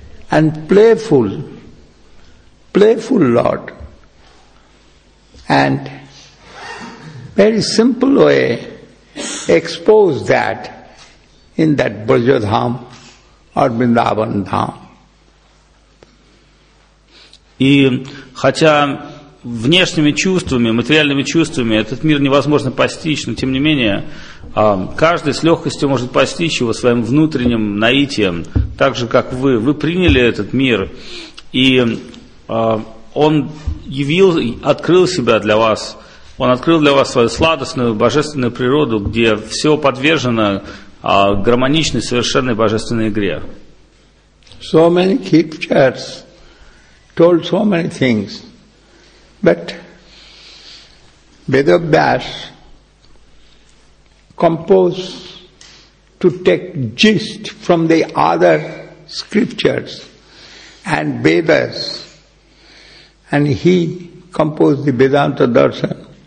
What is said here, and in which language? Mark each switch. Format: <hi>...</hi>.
<en>And playful, playful Lord, and very simple way expose that in that Brajadham or Vrindavan Dham.</en> <ru>И хотя внешними чувствами, материальными чувствами этот мир невозможно постичь, но тем не менее каждый с легкостью может постичь его своим внутренним наитием. Так же, как вы приняли этот мир, и он явил, открыл себя для вас, он открыл для вас свою сладостную, божественную природу, где все подвержено гармоничной, совершенной божественной игре.</ru> <en>So many scriptures told so many things, but Vedavyas composed to take gist from the other scriptures and Vedas, and he composed the Vedanta Darshan,</en>